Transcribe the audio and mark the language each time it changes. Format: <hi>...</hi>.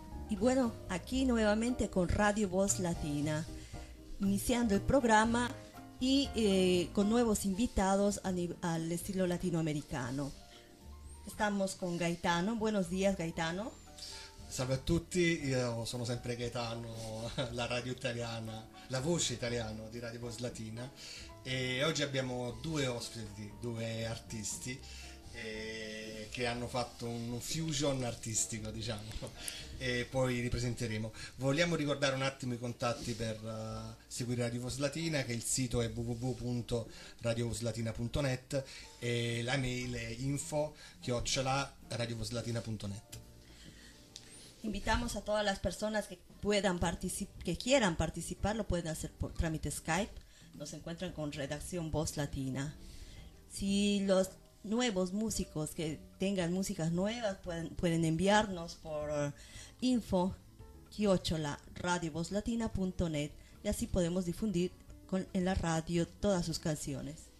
<es>Y bueno, aquí nuevamente con Radio Voz Latina, iniciando el programa y con nuevos invitados al estilo latinoamericano. Estamos con Gaetano. Buenos días, Gaetano.</es> <it>Salve a tutti, io sono sempre Gaetano, la radio italiana, la voce italiana di Radio Voz Latina. E oggi abbiamo due ospiti, due artisti che hanno fatto un fusion artistico, diciamo, e poi li presenteremo. Vogliamo ricordare un attimo i contatti per seguire Radio Voz Latina, che il sito è www.radiovozlatina.net e la mail è info@radiovozlatina.net.</it> <es>Invitamos a todas las personas que puedan que quieran participar, lo pueden hacer por trámite Skype. Nos encuentran con Redacción Voz Latina. Si los nuevos músicos que tengan músicas nuevas pueden enviarnos por info@radiovozlatina.net y así podemos difundir en la radio todas sus canciones.</es>